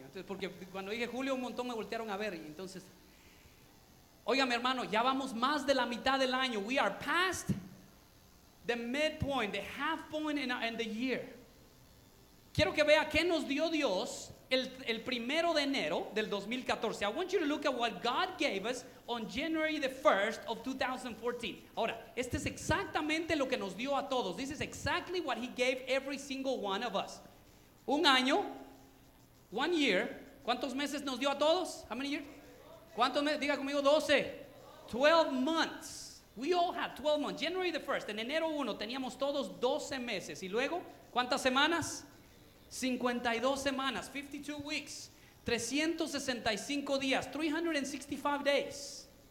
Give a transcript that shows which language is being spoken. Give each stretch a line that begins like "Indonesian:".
Spanish: Entonces, porque cuando dije Julio, un montón me voltearon a ver. Y entonces, óigame, hermano, ya vamos más de la mitad del año.
English: We are past the midpoint, the half point in the year.
Spanish: Quiero que vea qué nos dio Dios el primero de enero del 2014.
English: I want you to look at what God gave us on January the 1st of 2014.
Spanish: Ahora, este es exactamente lo que nos dio a todos.
English: This is exactly what he gave every single one of us.
Spanish: Un año,
English: one year,
Spanish: ¿cuántos meses nos dio a todos?
English: How many years?
Spanish: ¿Cuántos meses? Diga conmigo,
English: 12. 12 months. We all have 12 months. January the 1st,
Spanish: en enero 1, teníamos todos 12 meses. Y luego, ¿cuántas semanas? 52 semanas,
English: 52 weeks,
Spanish: 365 días,
English: 365 days.